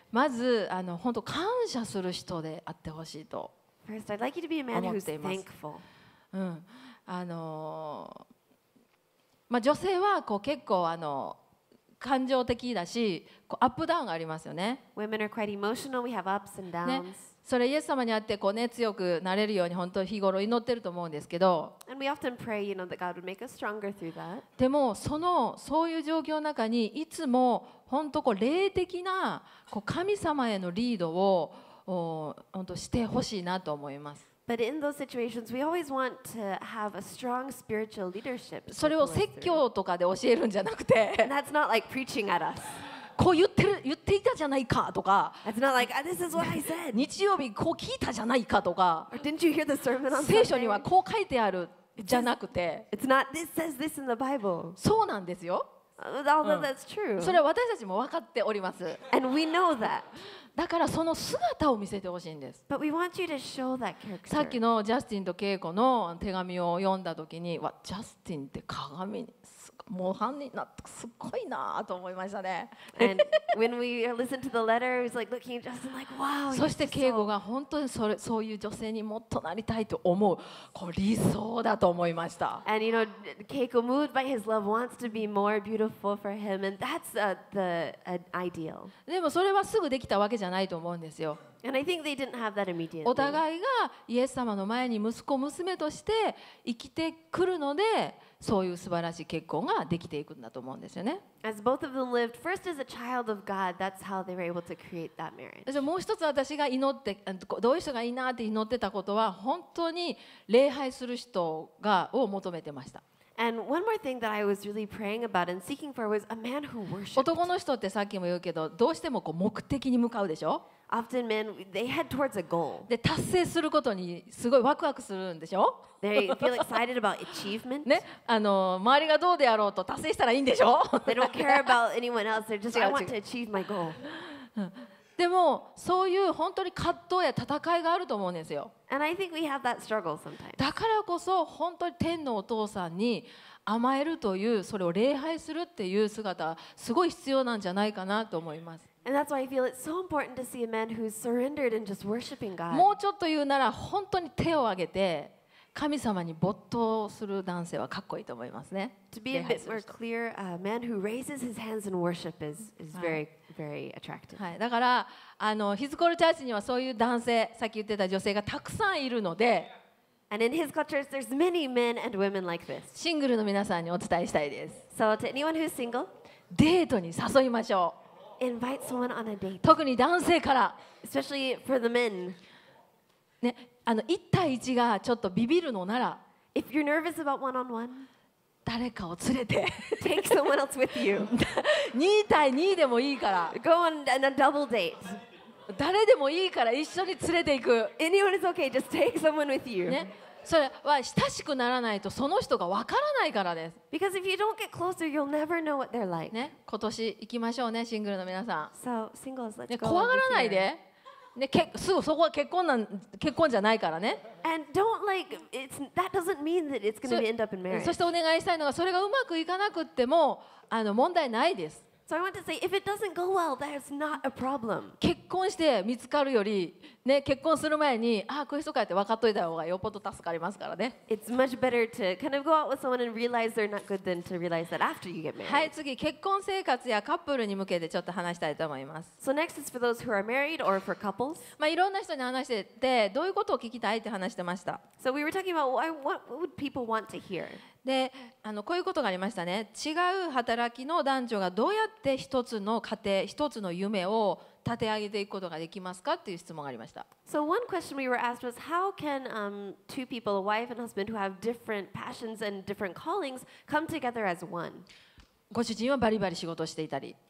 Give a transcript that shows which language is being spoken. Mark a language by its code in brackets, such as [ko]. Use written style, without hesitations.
[ja] まず本当感謝する人であってほしいと。 [en] First, I'd like you to be a man who's thankful. [ja] うん。まあ女性はこう結構感情的だし、こうアップダウンがありますよね。 [en] Women are quite emotional. We have ups and downs.、 [ja] ね、それイエス様にあってこうね強くなれるように本当日頃祈ってると思うんですけど。 [en] And we often pray, you know, that God would make us stronger through that. [ja] でもそういう状況の中にいつも本当こう霊的なこう神様へのリードを本当してほしいなと思います。 [en] But in those situations, we always want to have a strong spiritual leadership. [ja] それを説教とかで教えるんじゃなくて。 [en] And that's not like preaching at us. [ja] こう言っていたじゃないかとか。 [en] It's not like this is what I said. [ja] 日曜日こう聞いたじゃないかとか。 [en] Or didn't you hear the sermon on Sunday? [ja] 聖書にはこう書いてあるじゃなくて。 [en] It's not this says this in the Bible. [ja] そうなんですよ。 [en] Although that's true. [ja] それは私たちも分かっております。 [en] And we know that. [ja] だからその姿を見せてほしいんです。 [en] But we want you to show that character. [ja] さっきのジャスティンとケイコの手紙を読んだときに、わ、ジャスティンって鏡に模範になってすごいなと思いましたね。 [en] And when we listened to the letter, it was like looking at Justin like, wow. [ja] そしてケイコが本当にそういう女性にもっとなりたいと思う、こう理想だと思いました。 [en] And you know, Keiko moved by his love wants to be more beautiful for him, and that's an ideal. [ja] でもそれはすぐできたわけじゃないと思うんですよ。 [en] And I think they didn't have that immediately. [ja] お互いがイエス様の前に息子娘として生きてくるので。そういう素晴らしい結婚ができていくんだと思うんですよね。 [en] As both of them lived, first as a child of God, that's how they were able to create that marriage. [ja] じゃあもう一つ私が祈って、どういう人がいいなって祈ってたことは、本当に礼拝する人を求めてました。 [en] And one more thing that I was really praying about and seeking for was a man who worshipped. [ja] 男の人ってさっきも言うけど、どうしてもこう目的に向かうでしょ。 [en] Often men, they head towards a goal. [ja] で、達成することにすごいワクワクするんでしょ？ [en] They feel excited about achievement. [ja] ね、周りがどうであろうと達成したらいいんでしょ？ [en] They don't care about anyone else. They're just like, I want to achieve my goal. [ja] でも、そういう本当に葛藤や戦いがあると思うんですよ。 [en] And I think we have that struggle sometimes. [ja] だからこそ本当に天のお父さんに甘えるという、それを礼拝するっていう姿はすごい必要なんじゃないかなと思います。 [en] And that's why I feel it's so important to see a man who's surrendered and just worshiping God. [ja] もうちょっと言うなら本当に手を挙げて神様に没頭する男性はかっこいいと思いますね。 [en] To be a bit more clear, a man who raises his hands in worship is very, very attractive. [ja] はい、だからヒズコールチャーチにはそういう男性、さっき言ってた女性がたくさんいるので。 [en] And in his culture, there's many men and women like this. [ja] シングルの皆さんにお伝えしたいです。 [en] So to anyone who's single, [ja] デートに誘いましょう。 [en] Invite someone on a date. [ja] 特に男性から。 [en] Especially for the men. [ja] ね、一対一がちょっとビビるのなら、 [en] If you're nervous about one-on-one, [ja] 誰かを連れて。 [en] Take someone else with you. [ja] 二対二でもいいから。 [en] Go on a double date. [ja] 誰でもいいから一緒に連れて行く。 [en] Anyone is okay. Just take someone with you. [ja] ね、それは親しくならないとその人が分からないからです。 [en] Because if you don't get closer, you'll never know what they're like. [ja] ね、今年行きましょうね、シングルの皆さん。 [en] So singles, let's go. [ja] 怖がらないで。ね、すぐそこは結婚じゃないからね。 [en] And don't like it's that doesn't mean that it's going to end up in marriage. [ja] そしてお願いしたいのがそれがうまくいかなくっても問題ないです。 [en] So I want to say if it doesn't go well, that's not a problem. [ja] 結婚して見つかるよりね、結婚する前にああこういう人かって分かっといた方がよっぽど助かりますからね。 [en] It's much better to kind of go out with someone and realize they're not good than to realize that after you get married. [ja] はい、次結婚生活やカップルに向けてちょっと話したいと思います。 [en] So next is for those who are married or for couples. [ja] まあいろんな人に話しててどういうことを聞きたいって話してました。 [en] So we were talking about what would people want to hear. [ja] で、こういうことがありましたね。違う働きの男女がどうやって一つの家庭、一つの夢を立て上げていくことができますかという質問がありました。 [en] So one question we were asked was how can two people, a wife and husband, who have different passions and different callings, come together as one? [ja] ご主人はバリバリ仕事をしていたり。